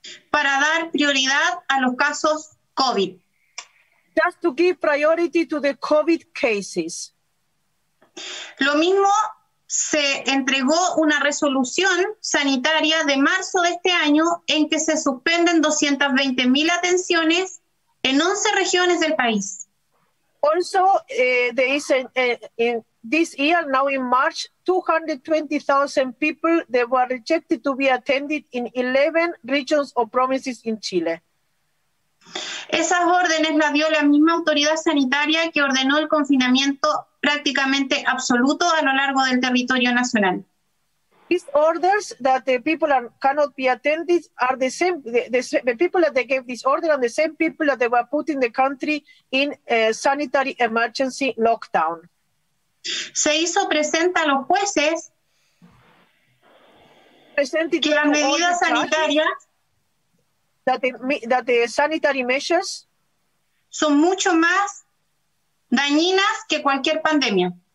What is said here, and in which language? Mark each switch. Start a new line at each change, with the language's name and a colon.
Spanish: Para dar prioridad a los casos COVID.
English: Just to give priority to the COVID cases.
Spanish: Lo mismo, se entregó una resolución sanitaria de marzo de este año en que se suspenden 220,000 atenciones en 11 regiones del país.
English: Also, there is in this year, now in March, 220,000 people that were rejected to be attended in 11 regions or provinces in Chile.
Spanish: Esas órdenes las dio la misma autoridad sanitaria que ordenó el confinamiento prácticamente absoluto a lo largo del territorio nacional.
English: These orders that the people cannot be attended are the same, the people that they gave this order are the same people that they were putting the country in a sanitary emergency lockdown.
Spanish: Se hizo presente a los jueces
English: presented
Spanish: que las medidas sanitarias
English: that the sanitary measures
Spanish: son mucho más dañinas que cualquier pandemia.